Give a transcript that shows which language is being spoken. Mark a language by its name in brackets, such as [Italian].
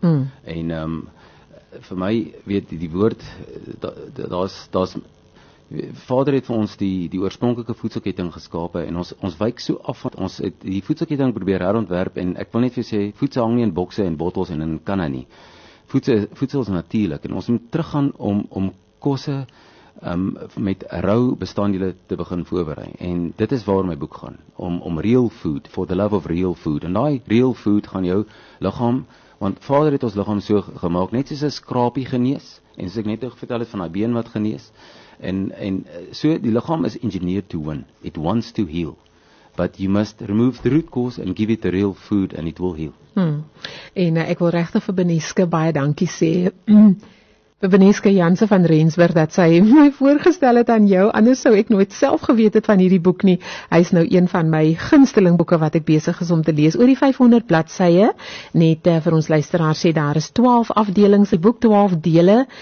[Afrikaans] En vir my, weet die woord, daar's Vader het vir ons die oorspronklike voedselketting geskape, en ons wyk so af, want ons het die voedselketting probeer herontwerp, en ek wil net vir jou sê, voedsel hang nie in bokse en bottels en in kanne nie. Voedsel is natuurlik, en ons moet teruggaan om kosse met rou bestanddele te begin voorberei. En dit is waar my boek gaan, om real food, [English] for the love of real food. [Afrikaans] En daai real food gaan jou liggaam, want Vader het ons liggaam so gemaak, net soos 'n skrapie genees, en soos ek net vertel het van daai been wat genees, en so die liggaam is [English] engineered to win, it wants to heal. But you must remove the root cause and give it the real food and it will heal. [Afrikaans] En ek wil regtig vir Beneske baie dankie sê. Vir Beneske Jansen van Rensburg dat sy my voorgestel het aan jou, anders sou ek nooit self geweet het van hierdie boek nie. Hy is nou een van my gunsteling boeke wat ek besig is om te lees. Oor die 500 bladsye, net vir ons luisteraars sê daar is 12 afdelings, die boek 12 dele.